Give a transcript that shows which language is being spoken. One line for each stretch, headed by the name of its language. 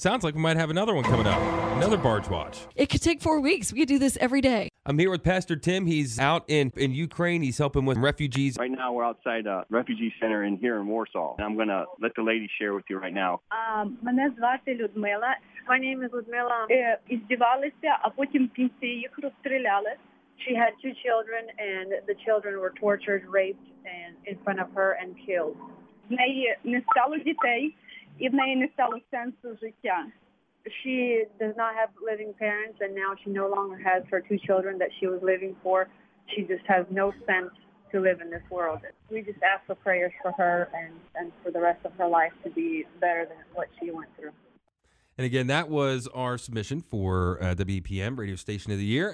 English: Sounds like we might have another one coming up. Another barge watch. It could take 4 weeks. We could do this every day. I'm here with Pastor Tim. He's out in Ukraine. He's helping with refugees. Right now, we're outside a refugee center in here in Warsaw. And I'm going to let the lady share with you right now.
Ukrainian: Мене звати Людмила.
English: My name is Людмила.
Ukrainian: Іздівалися, а потім після їх розстріляли.
English: She had two children, and the children were tortured, raped, and in front of her, and killed.
Ukrainian: В неї не стало дітей, і в неї не стало сенсу життя.
English: She does not have living parents, and now she no longer has her two children that she was living for. She just has no sense to live in this world. We just ask for prayers for her and for the rest of her life to be better than what she went through. And again, that was our submission for WPM Radio Station of the Year.